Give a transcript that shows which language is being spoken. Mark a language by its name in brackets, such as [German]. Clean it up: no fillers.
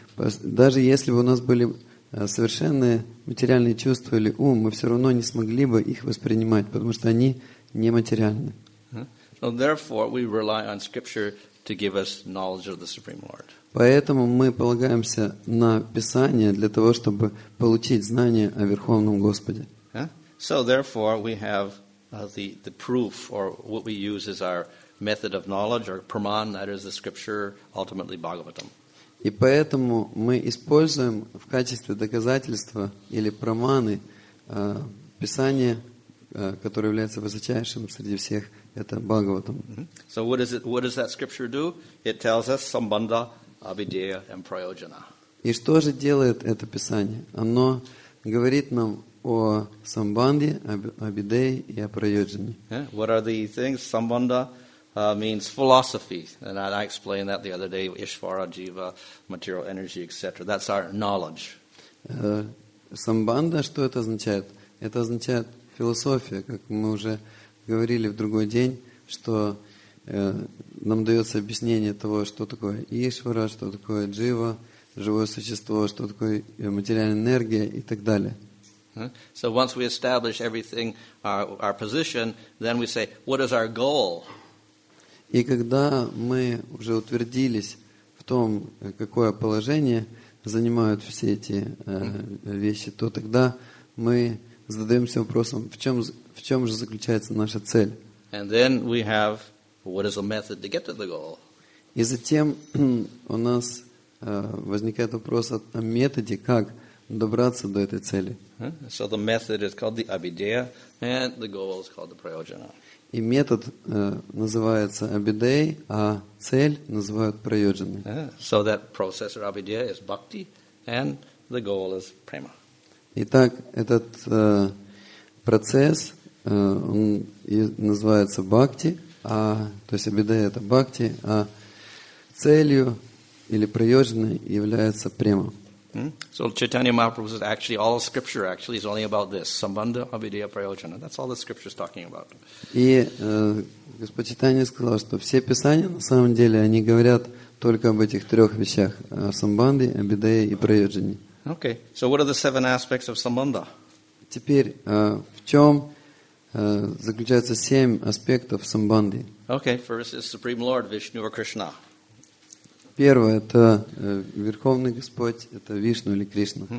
[Russian] Даже если бы у нас были совершенные материальные чувства или ум, мы все равно не смогли бы их воспринимать, потому что они нематериальны. [English] So therefore, we rely on scripture to give us knowledge of the Supreme Lord. [Russian] Поэтому мы полагаемся на Писание для того, чтобы получить знание о Верховном Господе. [English] So therefore, we have the proof, or what we use is our method of knowledge, or praman, that is the scripture, ultimately Bhagavatam. [Russian] И поэтому мы используем в качестве доказательства или праманы Писание, которое является высочайшим среди всех, это Бхагаватам. [English] So what is it? What does that scripture do? It tells us sambandha, abhidhaya, and prayojana. [Russian] И что же делает это Писание? Оно говорит нам о самбанде, абидее и о прайоджане. [English] What are the things? Самбанда means philosophy. And I explained that the other day. Ишвара, джива, material energy, etc. That's our knowledge. [Russian] Самбанда, что это означает? Это означает философия, как мы уже говорили в другой день, что нам дается объяснение того, что такое Ишвара, что такое джива, живое существо, что такое материальная энергия и так далее. [English] So once we establish everything, our position, then we say, what is our goal? [Russian] И когда мы уже утвердились в том, какое положение занимают все эти вещи, то тогда мы задаемся вопросом, в чем же заключается наша цель? [English] And then we have, what is the method to get to the goal? [Russian] И затем у нас возникает вопрос о методе, как добраться до этой цели. [English] So the method is called the abhidhaya, and the goal is called the prayojana. [Russian] И метод называется abhidhaya, а цель называют prayojana. [English] So that process or abhidhaya is bhakti, and the goal is prema. [Russian] Итак, этот процесс он называется бхакти, а то есть abhidhaya это бхакти, а целью или prayojana является prema. [English] So Chaitanya Mahaprabhu says, actually, all scripture actually is only about this. Sambandha, abhidhaya, prayojana. That's all the scripture is talking about. [Russian] И Господь Чайтанья сказал, что все писания, на самом деле, они говорят только об этих трех вещах. Самбанде, абидея и прайоджане. [English] Okay. So what are the seven aspects of sambandha? [Russian] Теперь, в чем заключаются семь аспектов самбанды? [English] Okay. First is Supreme Lord, Vishnu or Krishna. [Russian] Первое – это Верховный Господь, это Вишну или Кришна.